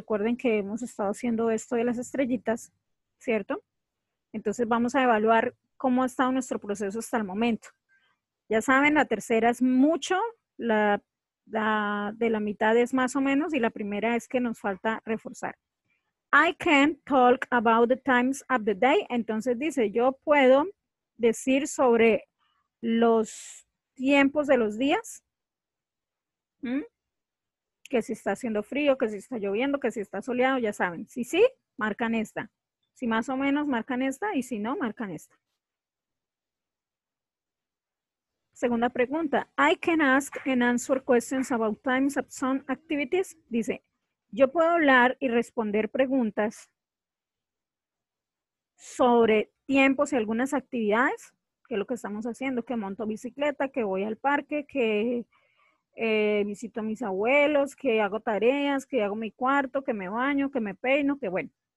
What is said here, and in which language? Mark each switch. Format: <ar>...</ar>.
<es>Recuerden que hemos estado haciendo esto de las estrellitas, ¿cierto? Entonces vamos a evaluar cómo ha estado nuestro proceso hasta el momento. Ya saben, la tercera es mucho, la de la mitad es más o menos y la primera es que nos falta reforzar.</es> <en>I can talk about the times of the day.</en> <es>Entonces dice, yo puedo decir sobre los tiempos de los días. Que si está haciendo frío, que si está lloviendo, que si está soleado, ya saben. Si sí, marcan esta. Si más o menos, marcan esta. Y si no, marcan esta. Segunda pregunta.</es> <en>I can ask and answer questions about times of some activities.</en> <es>Dice, yo puedo hablar y responder preguntas sobre tiempos y algunas actividades, que es lo que estamos haciendo, que monto bicicleta, que voy al parque, que visito a mis abuelos, que hago tareas, que hago mi cuarto, que me baño, que me peino, que bueno.</es>